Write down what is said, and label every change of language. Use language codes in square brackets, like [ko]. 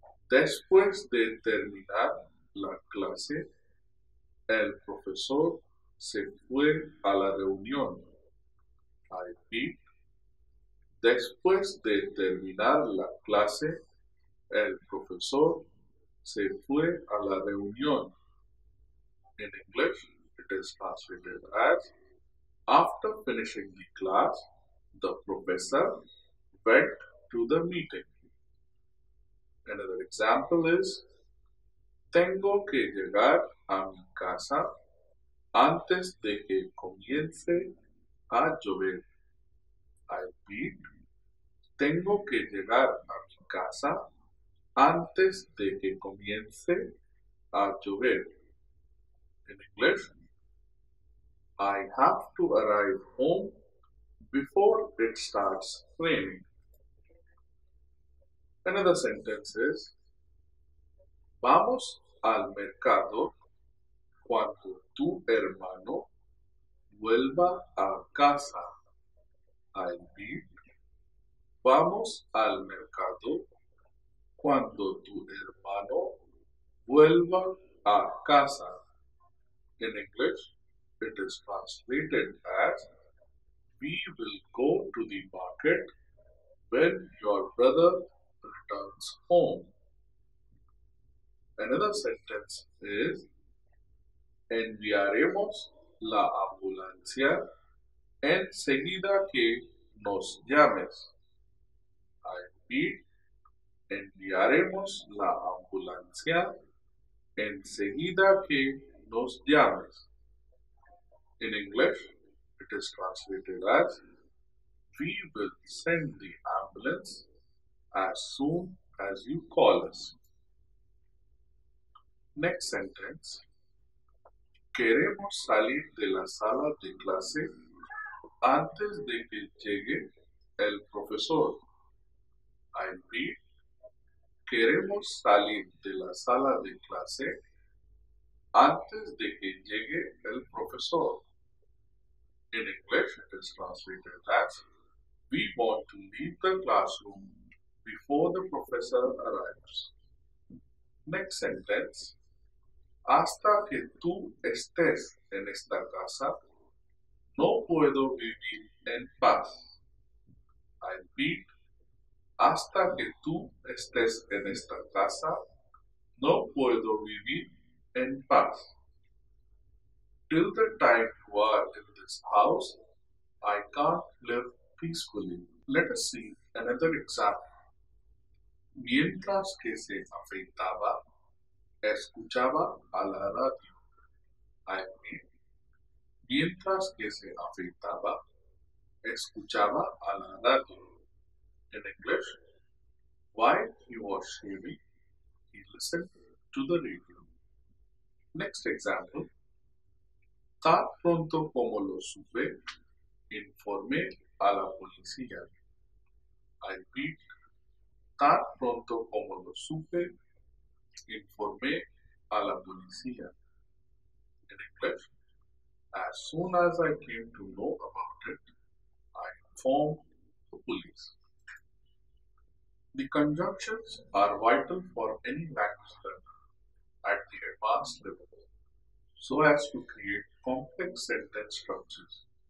[es] Después de terminar la clase, el profesor se fue a la reunión. [en] I repeat. [es] Después de terminar la clase, el profesor se fue a la reunión. [en] In English, it is translated as, after finishing the class, the professor went to the meeting. Another example is, [es] tengo que llegar a mi casa antes de que comience a llover. [en] I repeat, [es] tengo que llegar a mi casa antes de que comience a llover. [en] In English, I have to arrive home before it starts raining. Another sentence is, [es] vamos al mercado cuando tu hermano vuelva a casa. [en] I'll be. [es] Vamos al mercado cuando tu hermano vuelva a casa. [en] In English, it is translated as, we will go to the market when your brother returns home. Another sentence is, [es] enviaremos la ambulancia enseguida que nos llames. [en] I repeat, [es] enviaremos la ambulancia enseguida que nos llames. [en] In English, it is translated as, we will send the ambulance as soon as you call us. Next sentence. [es] Queremos salir de la sala de clase antes de que llegue el profesor. [en] I repeat, [es] queremos salir de la sala de clase antes de que llegue el profesor. [en] In English, it is translated as, we want to leave the classroom before the professor arrives. Next sentence. [es] Hasta que tú estés en esta casa, no puedo vivir en paz. [en] I repeat, [es] hasta que tú estés en esta casa, no puedo vivir en paz. [en] Till the time you are in this house, I can't live peacefully. Let us see another example. [es] Mientras que se afeitaba, escuchaba a la radio. [en] I mean, [es] mientras que se afeitaba, escuchaba a la radio. [en] In English, while he was shaving, he listened to the radio. Next example. [es] Tan pronto como lo supe, informé a la policía. [en] I repeat, [es] tan pronto como lo supe, informé a la policía. [en] In English, as soon as I came to know about it, I informed the police. The conjunctions are vital for any language learner at the advanced level, so as to create complex sentence structures.